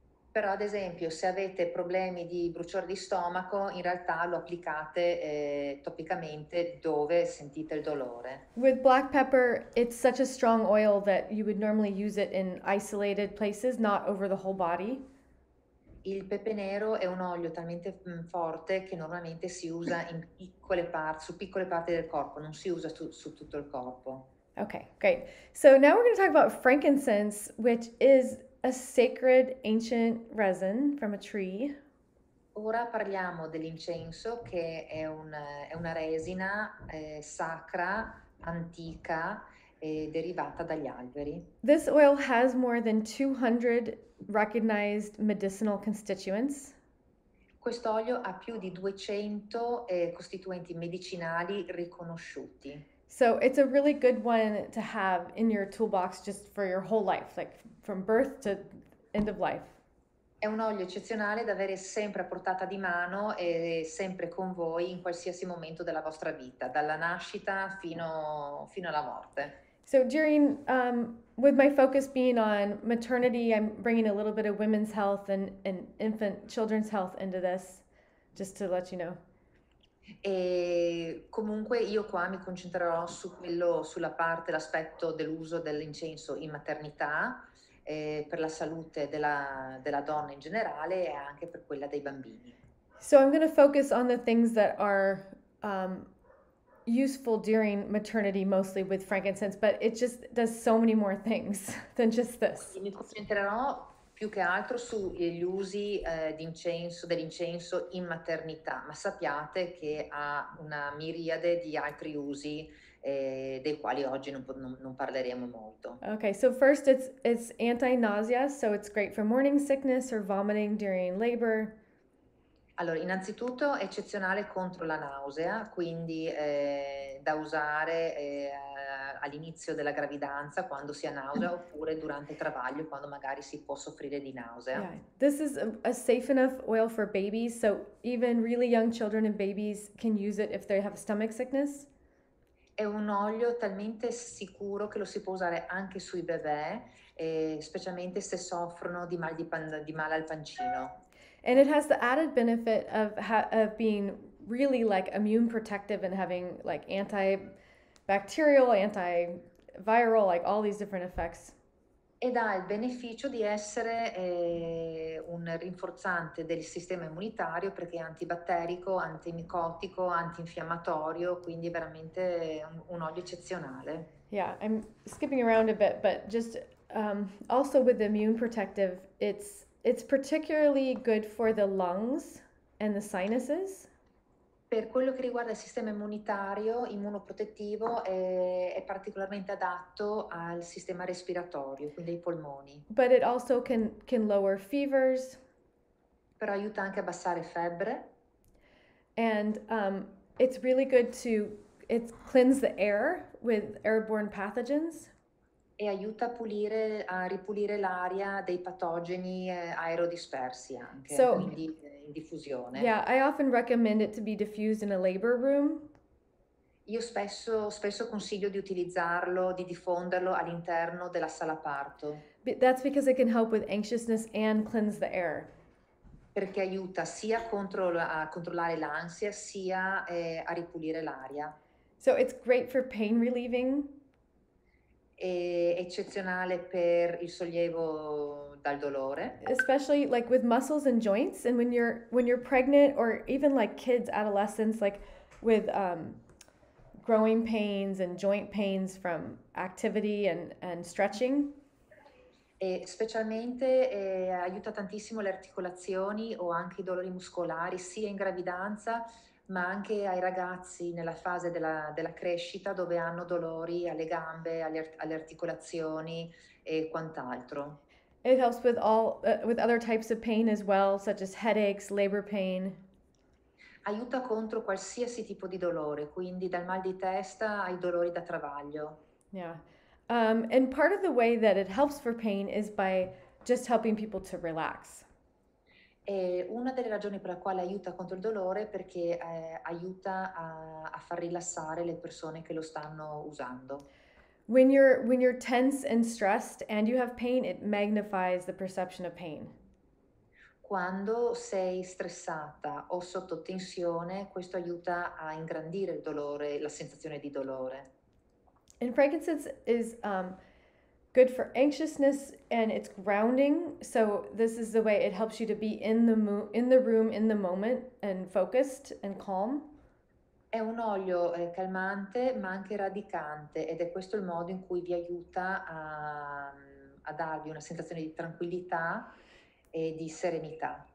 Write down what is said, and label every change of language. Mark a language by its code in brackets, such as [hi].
[it] Però ad esempio, se avete problemi di bruciore di stomaco, in realtà lo applicate topicamente dove sentite il dolore. [en] With black pepper, it's such a strong oil that you would normally use it in isolated places, not over the whole body. [it] Il pepe nero è un olio talmente forte che normalmente si usa in piccole parti, su piccole parti del corpo, non si usa su tutto il corpo. [en] Okay, great. So now we're going to talk about frankincense, which is a sacred ancient resin from a tree. [it] Ora parliamo dell'incenso, che è una resina sacra, antica e derivata dagli alberi. [en] This oil has more than 200 recognized medicinal constituents. [it] Quest'olio ha più di 200 costituenti medicinali riconosciuti. [en] So it's a really good one to have in your toolbox just for your whole life, like from birth to end of life. [it] È un olio eccezionale da avere sempre a portata di mano e sempre con voi in qualsiasi momento della vostra vita, dalla nascita fino alla morte. [en] So during, with my focus being on maternity, I'm bringing a little bit of women's health and infant children's health into this, just to let you know. [it] E comunque io qua mi concentrerò su quello, sulla parte, l'aspetto dell'uso dell'incenso in maternità, per la salute della donna in generale e anche per quella dei bambini. [en] So I'm going to focus on the things that are useful during maternity, mostly with frankincense, but it just does so many more things than just this. [it] Mi concentrerò più che altro sugli usi dell'incenso in maternità, ma sappiate che ha una miriade di altri usi dei quali oggi non parleremo molto. [en] Okay, so first it's anti-nausea, so it's great for morning sickness or vomiting during labor. [it] Allora, innanzitutto è eccezionale contro la nausea, quindi da usare all'inizio della gravidanza, quando si ha nausea, oppure durante il travaglio, quando magari si può soffrire di nausea. [en] Yeah. This is a safe enough oil for babies, so even really young children and babies can use it if they have stomach sickness. [it] È un olio talmente sicuro che lo si può usare anche sui bebè, specialmente se soffrono di mal al pancino. [en] And it has the added benefit of being really like immune protective and having like antibacterial, antiviral, like all these different effects. [it] Ed ha il beneficio di essere un rinforzante del sistema immunitario perché è antibatterico, antimicotico, antinfiammatorio, quindi veramente un olio eccezionale. [en] Yeah, I'm skipping around a bit, but just also with the immune protective, it's particularly good for the lungs and the sinuses. [it] Per quello che riguarda il sistema immunitario, immunoprotettivo, è particolarmente adatto al sistema respiratorio, quindi ai polmoni. [en] But it also can lower fevers. [it] Però aiuta anche a abbassare febbre. [en] And it's really good to it cleanse the air with airborne pathogens. [it] E aiuta a ripulire l'aria dei patogeni aerodispersi anche, [en] So, [it] quindi in diffusione. [en] yeah, I often recommend it to be diffused in a labor room. [it] Io spesso consiglio di utilizzarlo, di diffonderlo all'interno della sala parto. [en] That's because it can help with anxiousness and cleanse the air. [it] Perché aiuta sia a controllare l'ansia, sia a ripulire l'aria. [en] So it's great for pain relieving. [it] È eccezionale per il sollievo dal dolore. [en] Especially like with muscles and joints, and when you're pregnant or even like kids, adolescents, like with growing pains and joint pains from activity and stretching. [it] E specialmente aiuta tantissimo le articolazioni o anche i dolori muscolari, sia in gravidanza, ma anche ai ragazzi nella fase della crescita dove hanno dolori alle gambe, alle articolazioni e quant'altro. [en] It helps with all with other types of pain as well, such as headaches, labor pain. [it] Aiuta contro qualsiasi tipo di dolore, quindi dal mal di testa ai dolori da travaglio. [en] And part of the way that it helps for pain is by just helping people to relax. [it] E una delle ragioni per la quale aiuta contro il dolore è perché aiuta a far rilassare le persone che lo stanno usando. [en] When you're tense and stressed and you have pain, it magnifies the perception of pain. [it] Quando sei stressata o sotto tensione, questo aiuta a ingrandire il dolore, la sensazione di dolore. [en] And frankincense is good for anxiousness and it's grounding. So this is the way it helps you to be in the room in the moment and focused and calm. [it] È un olio calmante ma anche radicante ed è questo il modo in cui vi aiuta a darvi una sensazione di tranquillità e di serenità.